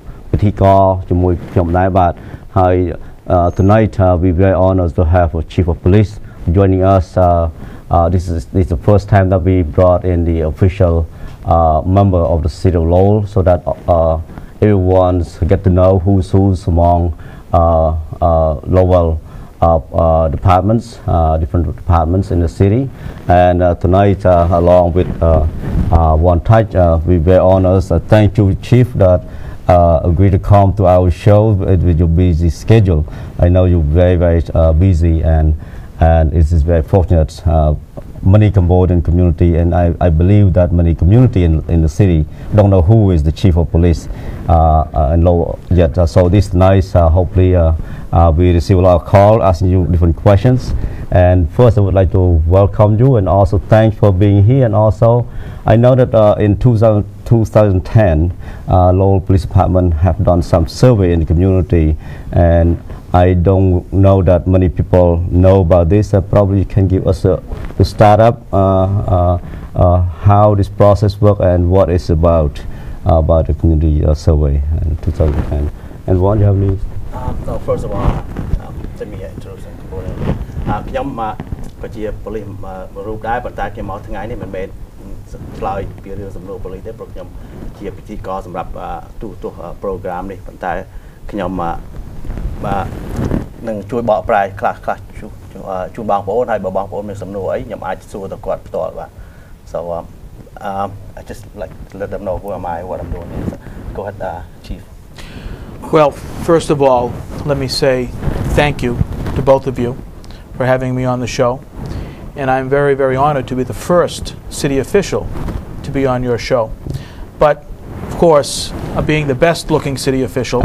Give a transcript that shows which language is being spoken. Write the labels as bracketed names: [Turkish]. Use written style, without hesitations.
[English] ปฏิกรจมวยชมได้บาดหาย tonight we very honored to have a chief of police joining us this is the first time that we brought in the officialmember of the city of Lowell, so that everyone get to know who's among Lowell departments, different departments in the city. And tonight, along with Wan Thach, we very honored. Thank you, Chief, that agreed to come to our show with your busy schedule. I know you're very, very busy, and it is very fortunate. Many Cambodian community, and I believe that many community in the city don't know who is the chief of police and law yet. So this nice, hopefully we receive a lot of call asking you different questions. And first, I would like to welcome you and also thanks for being here. And also, I know that in 2010, Lowell Police Department have done some survey in the community, and I don't know that many people know about this. Probably you can give us to start up how this process work and what it's about the community survey in 2010. And what do you have needs? So first of all, let me introduce the board. [Khmer] ខ្ញុំជាប៉ូលីសរូបដែរប៉ុន្តែខ្ញុំមកថ្ងៃនេះមិនមែនឆ្លើយពីរឿងសំណួរប៉ូលីសទេព្រោះខ្ញុំជាវិទ្យករសម្រាប់ទូ program នេះប៉ុន្តែខ្ញុំបាទនឹងជួយបកប្រែខ្លះជួយបងប្អូនហើយបើបងប្អូនមានសំណួរអីខ្ញុំអាចសួរទៅគាត់ផ្ទាល់បាទ [English] So I just like to let them know who am I, what I'm doing. Go ahead, Chief. Well, first of all, let me say thank you to both of you for having me on the show. And I'm very, very honored to be the first city official to be on your show. But of course, being the best looking city official,